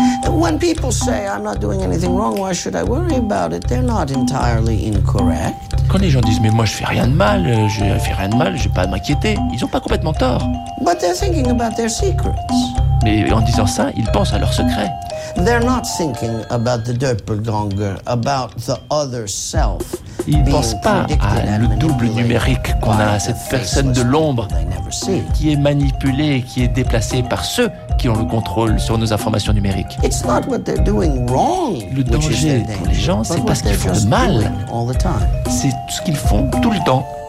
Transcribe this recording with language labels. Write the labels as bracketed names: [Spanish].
[English] When people say I'm not doing anything wrong, why should I worry about it? They're not entirely incorrect. [French] Quand les gens disent mais moi je fais rien de mal, j'ai pas à m'inquiéter, ils ont pas complètement tort. [English] But they're thinking about their secrets. [French] Mais en disant ça, ils pensent à leurs secrets. [English] They're not thinking about the doppelganger, about the other self. [French] Ils pensent pas à le double numérique qu'on a, à cette personne de l'ombre qui est manipulée et qui est déplacée par ceux qui ont le contrôle sur nos informations numériques. [English] It's not what they're doing wrong, [French] le danger pour les gens, c'est pas ce qu'ils font de mal, c'est ce qu'ils font tout le temps.